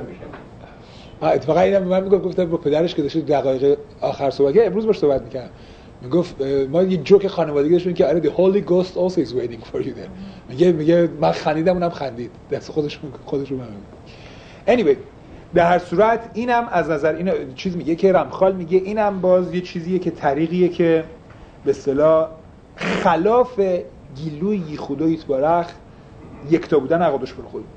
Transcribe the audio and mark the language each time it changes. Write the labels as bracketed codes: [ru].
[fa] میشن. اتفاقا اینم من میگم، گفتم با پدرش که داشت دقایق آخر صحبت کرد، امروز باش صحبت میکردم. میگفت ما یه جوک خانوادگی داشتیم که آره [en] the holy ghost also is waiting for you there. [fa] میگه من خندیدم، اونم خندید. دست خودش رو من میگم. Anyway، در هر صورت اینم از نظر این چیز میگه که رمخال میگه اینم باز یه چیزیه که طریقیه که به اصطلاح خلاف گیلوی خدای تبارک یکتا بودن عقادش بر خود.